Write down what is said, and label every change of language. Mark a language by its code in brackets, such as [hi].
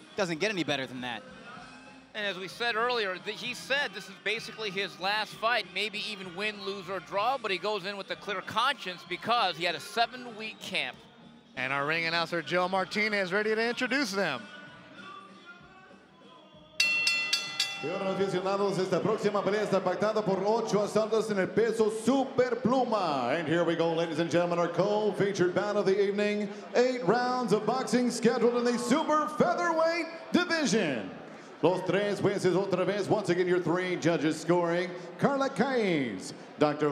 [en] Doesn't get any better than that. And as we said earlier, he said this is basically his last fight, maybe even win, lose, or draw, but he goes in with a clear conscience because he had a 7-week camp. And our ring announcer, Joe Martinez, ready to introduce them. [es] Señores aficionados, esta próxima pelea está pactada por 8 asaltos en el peso super pluma. [en] And here we go, ladies and gentlemen, our co-featured bout of the evening. 8 rounds of boxing scheduled in the super featherweight division. [es] Los tres jueces otra vez. [en] Once again, your 3 judges scoring: Carla Caiz, Dr.